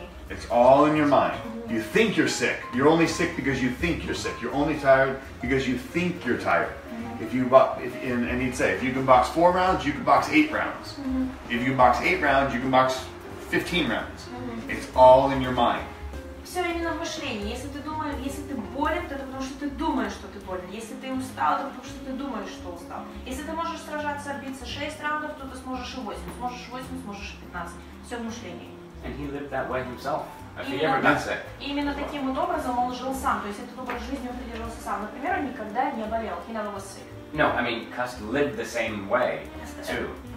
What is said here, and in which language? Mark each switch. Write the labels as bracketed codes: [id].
[en] It's all in your mind. You think you're sick. You're only sick because you think you're sick. You're only tired because you think you're tired. Mm-hmm. And he'd say, if you can box 4 rounds, you can box 8 rounds. Mm-hmm. If you can box 8 rounds, you can box 15 rounds. Mm-hmm. It's all in your mind. [ru] Все именно в мышлении. Если ты болен, то это потому, что ты думаешь, что ты болен. Если ты устал, то потому, что ты думаешь, что устал. Если ты можешь сражаться, биться 6 раундов, то ты сможешь и 8. Сможешь 8, сможешь и 15. Все в мышлении. [en] And he lived that way himself. [ru] Именно таким вот образом он жил сам. То есть этот образ жизни он придерживался сам. Например, он никогда не болел. [en] He never was sick. No, I mean, Cust lived the same way, too.